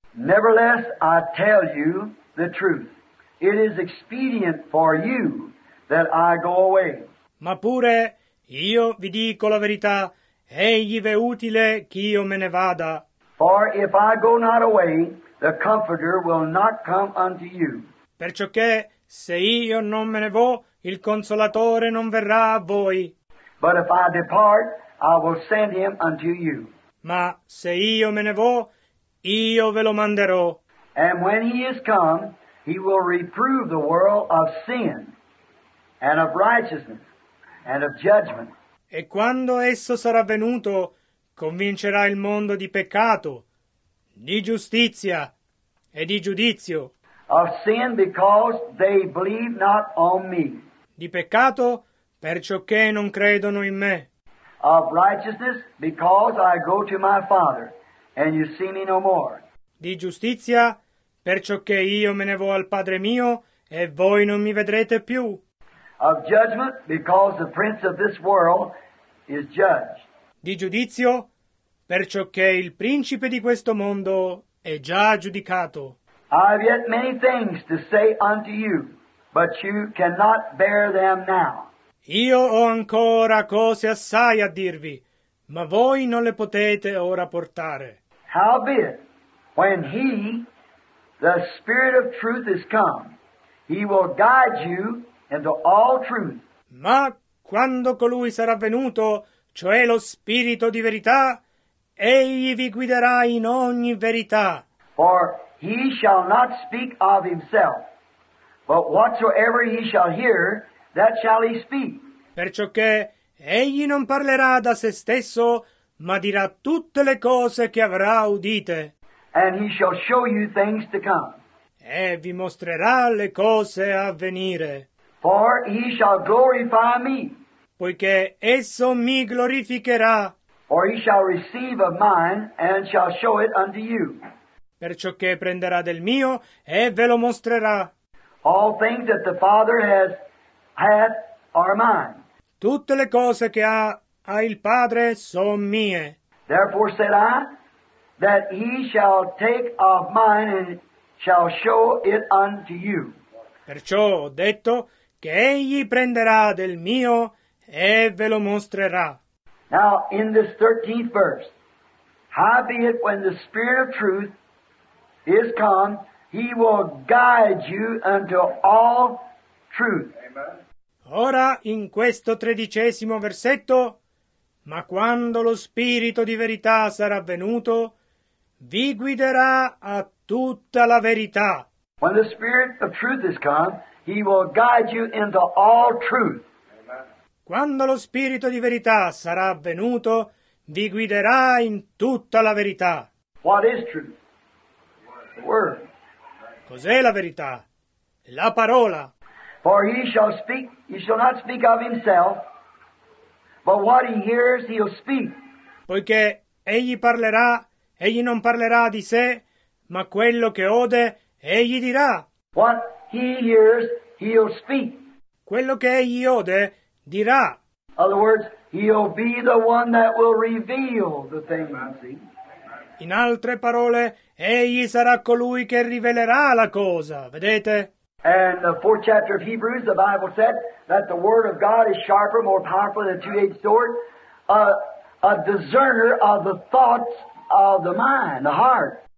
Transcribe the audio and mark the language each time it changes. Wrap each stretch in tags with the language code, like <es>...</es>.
<en>Nevertheless, I tell you the truth. It is expedient for you that I go away.</en> <it>Ma pure io vi dico la verità, egli v'è utile che io me ne vada.</it> <en>For if I go not away, the Comforter will not come unto you.</en> <it>Perciò che se io non me ne vo, il Consolatore non verrà a voi.</it> <en>But if I depart, I will send him unto you.</en> <it>Ma se io me ne vo, io ve lo manderò.</it> <en>And when he is come, he will reprove the world of sin and of righteousness. And of judgment.</en> <it>E quando esso sarà venuto, convincerà il mondo di peccato, di giustizia e di giudizio.</it> <en>Of sin because they believe not on me.</en> <it>Di peccato, perciò che non credono in me.</it> <en>Of righteousness because I go to my Father and you see me no more.</en> <it>Di giustizia, perciò che io me ne vo al Padre mio e voi non mi vedrete più.</it> <en>Of judgment because the prince of this world is judged.</en> <it>Di giudizio, perciò che il principe di questo mondo è già giudicato.</it> <en>I have yet many things to say unto you, but you cannot bear them now.</en> <it>Io ho ancora cose assai a dirvi, ma voi non le potete ora portare.</it> <en>Howbeit, when he, the Spirit of truth, is come, he will guide you into all truth.</en> <it>Ma quando colui sarà venuto, cioè lo Spirito di verità, egli vi guiderà in ogni verità.</it> <en>For he shall not speak of himself, but whatsoever he shall hear, that shall he speak.</en> <it>Perciò che egli non parlerà da se stesso, ma dirà tutte le cose che avrà udite.</it> <en>And he shall show you things to come.</en> <it>E vi mostrerà le cose a venire.</it> <en>For he shall glorify me.</en> <it>Poiché esso mi glorificherà.</it> <en>For he shall receive of mine and shall show it unto you.</en> <it>Perciò che prenderà del mio e ve lo mostrerà.</it> <en>All things that the Father has had are mine.</en> <it>Tutte le cose che ha il Padre son mie.</it> <en>Therefore said I that he shall take of mine and shall show it unto you.</en> <it>Perciò ho detto che egli prenderà del mio e ve lo mostrerà.</it> <en>Now in this 13th verse, howbeit when the Spirit of truth is come, he will guide you unto all truth.</en> <it>Ora in questo 13° versetto, ma quando lo Spirito di verità sarà venuto, vi guiderà a tutta la verità.</it> <en>When the Spirit of truth is come, he will guide you into all truth.</en> <it>Quando lo Spirito di verità sarà venuto, vi guiderà in tutta la verità.</it> <en>What is truth? The word.</en> <it>Cos'è la verità? La parola.</it> <en>For he shall not speak of himself, but what he hears he'll speak.</en> <it>Poiché egli non parlerà di sé, ma quello che ode, egli dirà.</it> <en>What he hears he'll speak.</en> <it>Quello che egli ode, dirà.</it> <en>In other words, he'll be the one that will reveal the thing.</en> <it>In altre parole, egli sarà colui che rivelerà la cosa, vedete?</it> <en>And the 4th chapter of Hebrews, the Bible said that the word of God is sharper, more powerful than a two-edged sword, a discerner of the thoughts of the mind, the heart.</en>